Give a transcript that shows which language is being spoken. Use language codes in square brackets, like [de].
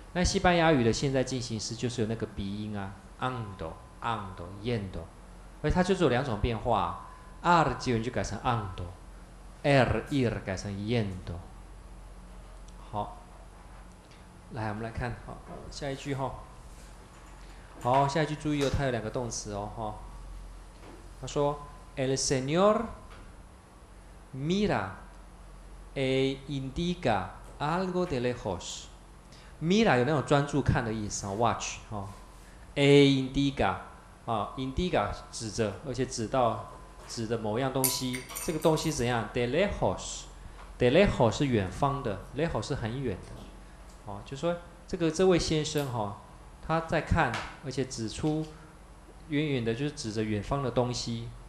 [zh] 那西班牙语的现在进行式就是有那个鼻音啊，ando、yendo，而它就是有两种变化，r 结尾就改成 ando，r ir 改成 yendo。好，来我们来看，好下一句哈。好，下一句注意哦，它有两个动词哦哈。他说 [es] el señor。 Mira e indica algo de lejos. [zh] Mira 有那种专注看的意思啊，watch 啊， [es] e indica [zh] 啊，indica 指着，而且指的某样东西。这个东西怎样？ [es] de lejos， [zh] de lejos 是远方的，lejos 是很远的。哦，就说这位先生哈，他在看，而且指出远远的，就是指着远方的东西。